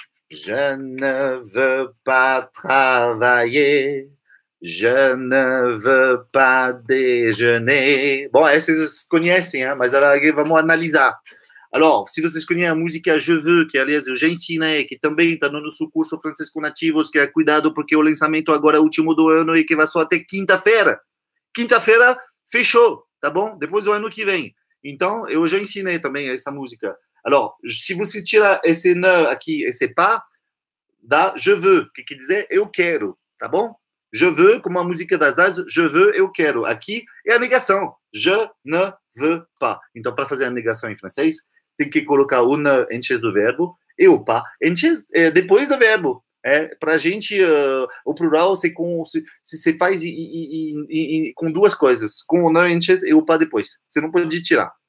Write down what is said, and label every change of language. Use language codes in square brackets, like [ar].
[fr] Je ne veux pas travailler. Je ne veux pas déjeuner. [pt] Bon, vocês conhecem, hein? Mas vamos analisar. Alors, si vocês conhecem a música Je veux, que aliás eu já ensinei, que também está no nosso curso Francês com Nativos, que é cuidado porque o lançamento agora é o último do ano e que vai só até quinta-feira. Quinta-feira fechou, tá bom? Depois do ano que vem. Então, eu já ensinei também essa música. [fr] Alors, si vous tirez [pt] esse ne aqui, esse pas, dá je veux, que dizer eu quero, tá bom? Je veux, comme a música das asas, je veux, eu quero. Aqui é a negação, [fr] je ne veux pas. [pt] Então, para fazer a negação em francês, tem que colocar o ne antes do verbo e o pas antes, depois do verbo. Para a gente, o plural, se faz com duas coisas, com o ne antes e o pas depois. Você não pode tirar.